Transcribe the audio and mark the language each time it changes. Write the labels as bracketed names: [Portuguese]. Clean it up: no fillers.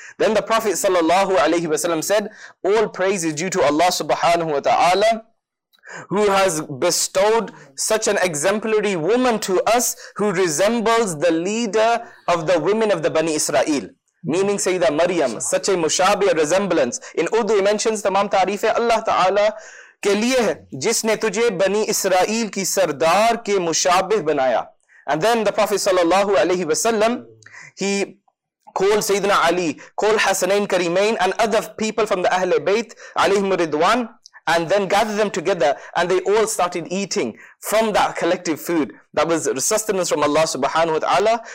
[English] Then the Prophet sallallahu alayhi wa sallam said, "All praise is due to Allah subhanahu wa ta'ala, who has bestowed such an exemplary woman to us who resembles the leader of the women of the Bani Israel." Meaning Sayyida Maryam, such a mushabih resemblance. In Urdu, he mentions [Urdu] تمام تعریفیں اللہ تعالیٰ کے لیے ہے، جس نے تجھے بنی اسرائیل کی سردار کے مشابہ بنایا. [English] And then the Prophet sallallahu alayhi wa sallam, he called Sayyidina Ali, called Hasanain Karimain and other people from the Ahl-e-Bayt alayhim ridwan, and then gathered them together, and they all started eating from that collective food that was sustenance from Allah subhanahu wa ta'ala.